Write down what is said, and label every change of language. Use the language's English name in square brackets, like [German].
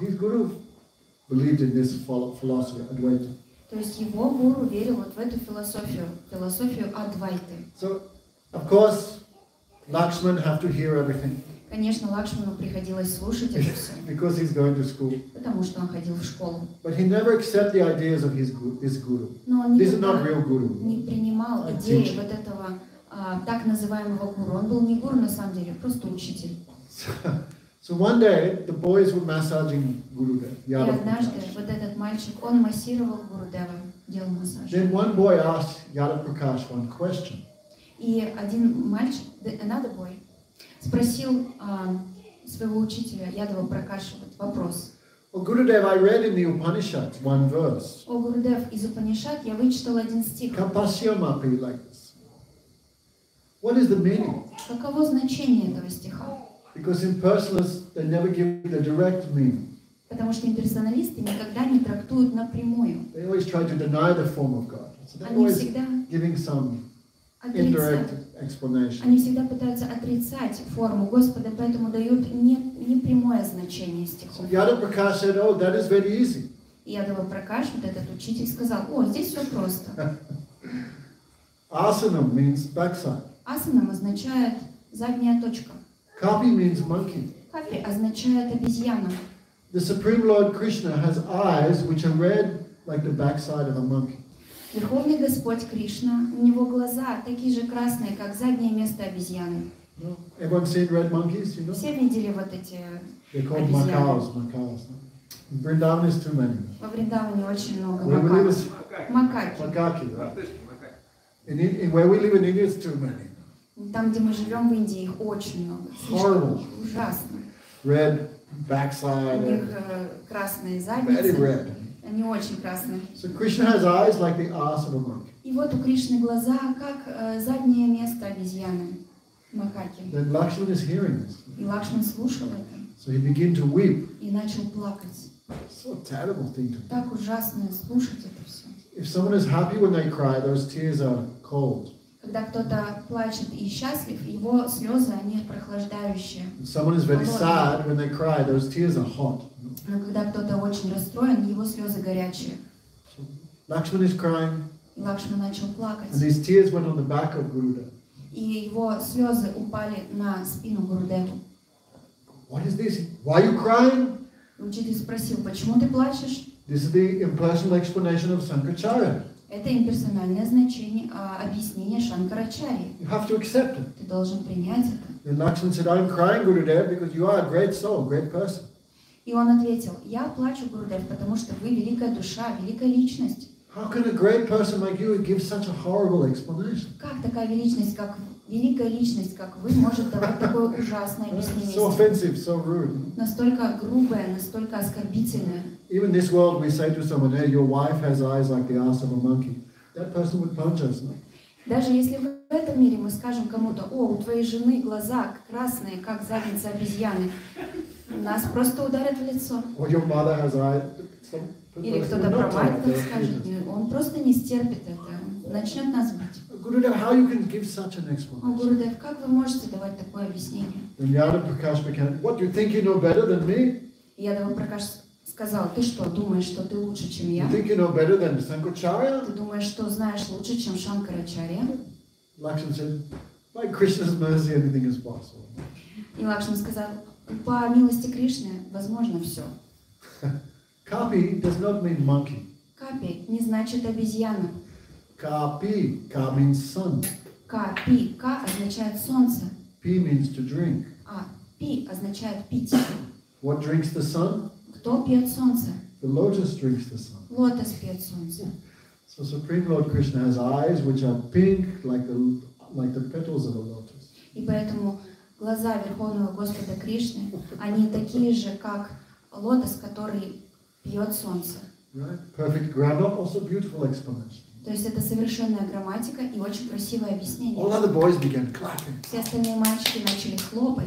[English] His guru believed in this philosophy, Advaita. [Russian] То есть его гуру верил вот в эту философию, философию Адвайты. [English] So, of course, Lakshman have to hear everything. [Russian] Конечно, Лакшману приходилось слушать это все. [English] Because he's going to school. [Russian] Потому что он ходил в школу. [English] But he never accepted the ideas of his guru. This guru. [Russian] Но он [English] this is not real guru. [Russian] Не принимал идеи вот этого так называемого гуру. Он был не гуру на самом деле, просто учитель. [English] So one day the boys were massaging Gurudev. [Russian] И однажды вот этот мальчик, он массировал Гурудева, делал массаж. [English] Then one boy asked Yadav Prakash one question. [Russian] И один мальчик, [English] another boy, [Russian] спросил своего учителя Ядава Пракаша вот вопрос. [English] Oh Gurudev, I read in the Upanishad one verse. [Russian] О Гурудев, из Упанишад я вычитал один стих. [English] Kapasyamapi like this. What is the meaning? [Russian] Каково значение этого стиха? [English] Because impersonalists they never give the direct meaning. [Russian] Потому что имперсоналисты никогда не трактуют напрямую. [English] They always try to deny the form of God. So they're always giving some indirect explanation. [Russian] Они всегда пытаются отрицать форму Господа, поэтому дают не прямое значение стихов. [English] Yadav Prakash said, "Oh, that is very easy." [Russian] Yadav Prakash, вот этот учитель, сказал: "О, здесь все просто." [English] Asana means backside. [Russian] Asana означает задняя точка. [English] Kapi means monkey. [Russian] Kapi означает обезьяна. [English] The Supreme Lord Krishna has eyes which are red like the backside of a monkey. [Russian] Верховный Господь Кришна, у него глаза такие же красные, как заднее место обезьяны. [English] Everyone seen red monkeys, you know? [Russian] Все видели вот эти обезьяны. [English] They're called macaws. In Vrindavan is too many. [Russian] Во Вриндаване очень много макак. Макаки. Макаки, да. [English] In where we live in India is too many. [Russian] Там, где мы живем в Индии, их очень много. [English] Horrible. [Russian] Ужасно. [English] Red backside. [Russian] У них красные задницы. [English] Very red. [Russian] Они очень красные. [English] So Krishna has eyes like the ass of a monkey. [Russian] И вот у Кришны глаза как заднее место обезьяны, макаки. [English] Then Lakshman is hearing this. [Russian] И Лакшман слушал это. [English] So he began to weep. [Russian] И начал плакать. [English] So terrible thing to. [Russian] Так ужасно слушать это все. [English] If someone is happy when they cry, those tears are cold. [Russian] Когда кто-то плачет и счастлив, его слезы, они прохлаждающие. [English] Someone is very sad when they cry, those tears are hot. [Russian] Но когда кто-то очень расстроен, его слезы горячие. [English] Lakshman is crying. [Russian] Lakshman начал плакать. [English] And his tears went on the back of Gurudev. [Russian] И его слезы упали на спину Гурудеву. [English] What is this? Why are you crying? [Russian] Учитель спросил, почему ты плачешь? [English] This is the impersonal explanation of Sankaracharya. [Russian] Это имперсональное значение, объяснение Шанкарачарьи. [English] You have to accept it. [Russian] Ты должен принять это. [English] Lakshman said, "I'm crying, Gurudev, because you are a great soul, great person." [Russian] И он ответил: «Я плачу, Гурудев, потому что вы великая душа, великая личность». [English] How can a great person like you give such a horrible explanation? [Russian] Как такая личность, как великая личность, как вы, может давать такое ужасное объяснение? [English] So offensive, so rude. [Russian] Настолько грубое, настолько оскорбительное. [English] Even this world, we say to someone, "Hey, your wife has eyes like the ass of a monkey." That person would punch us. No? [Russian] Даже если в этом мире мы скажем кому-то: «О, у твоей жены глаза красные, как задница обезьяны», нас просто ударят в лицо. [English] Or your mother has eyes. [Russian] Или кто-то про мать так скажет, он просто не стерпит это, начнет нас бить. [English] Gurudev, how you can give such an explanation? [Russian] О, Гурудев, как вы можете давать такое объяснение? [English] Vinyana Prakash began, "What, you think you know better than me?" [Russian] Vinyana Prakash сказал: «Ты что, думаешь, что ты лучше, чем я? [English] You think you know better than Shankaracharya?» [Russian] Ты думаешь, что знаешь лучше, чем Шанкарачарья? [English] Lakshman said, "By Krishna's mercy, anything is possible." [Russian] И Лакшман сказал: «По милости Кришны, возможно все». [English] Kapi does not mean monkey. [Russian] Kapi не значит обезьяна. [English] Kapi, ka means sun. [Russian] Kapi, ka означает солнце. [English] Pi means to drink. [Russian] А pi означает пить. [English] What drinks the sun? [Russian] Кто пьет солнце? [English] The lotus drinks the sun. [Russian] Лотос пьет солнце. [English] So Supreme Lord Krishna has eyes which are pink like the petals of a lotus. [Russian] И поэтому глаза Верховного Господа Кришны, они такие же, как лотос, который пьет солнце. [English] Right? Perfect grammar, also beautiful explanation. [Russian] То есть это совершенная грамматика и очень красивое объяснение. [English] All other boys began clapping. [Russian] Все остальные мальчики начали хлопать.